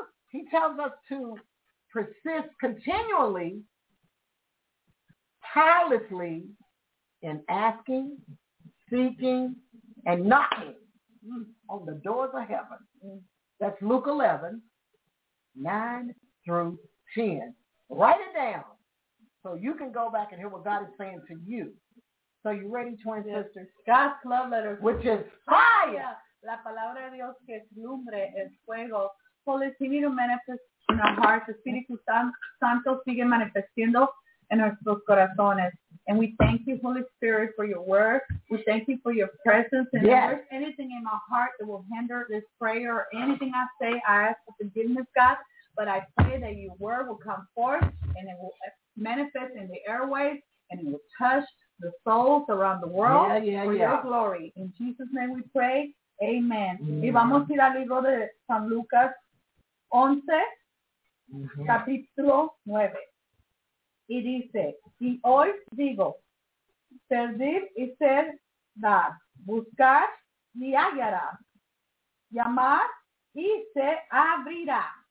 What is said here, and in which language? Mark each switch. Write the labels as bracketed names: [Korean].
[English] He tells us to persist continually, tirelessly, in asking, seeking, and knocking on the doors of heaven. That's Luke 11, 9 through 10. Write it down so you can go back and hear what God is saying to you. So you ready, twin sisters? God's love letters. Which is fire. [Spanish] La palabra de Dios que es lumbre, es fuego. [English] Holy Spirit manifests in our hearts. [Spanish] Espíritu Santo sigue manifestando en nuestros corazones. [English] And we thank you, Holy Spirit, for your word. We thank you for your presence. And yes, if there's anything in my heart that will hinder this prayer or anything I say, I ask for forgiveness, God. But I pray that your word will come forth and it will manifest in the airways and it will touch the souls around the world for your glory. In Jesus' name we pray. Amen. [Spanish] Y vamos a ir al libro de San Lucas 11, capítulo 9. Y dice, y hoy digo, servir y ser dar, buscar y hallará, llamar y se abrirá.